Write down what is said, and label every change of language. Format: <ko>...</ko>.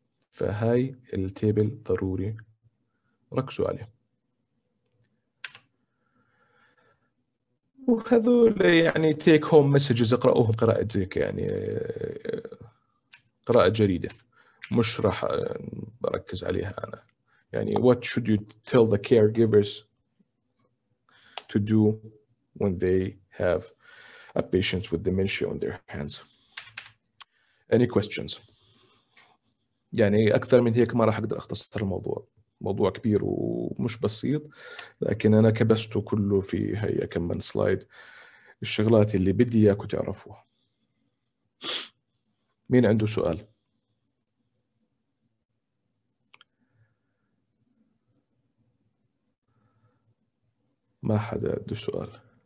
<ar>فهاي التابل ضروري ركزوا عليه. وهذول يعني تيك هوم مسجز اقرأوهم قراءة جريدة, يعني قراءة جريدة مش راح بركز عليها أنا. يعني</ar> <en>what should you tell the caregivers to do when they have a patient with dementia on their hands? Any questions?</en> <ar>يعني أكثر من هيك ما راح أقدر أختصر الموضوع, موضوع كبير ومش بسيط, لكن أنا كبسته كله في هيا كم من سلايد الشغلات اللي بدي إياكم تعرفوها. مين عنده سؤال؟ ما حدا عنده سؤال.</ar>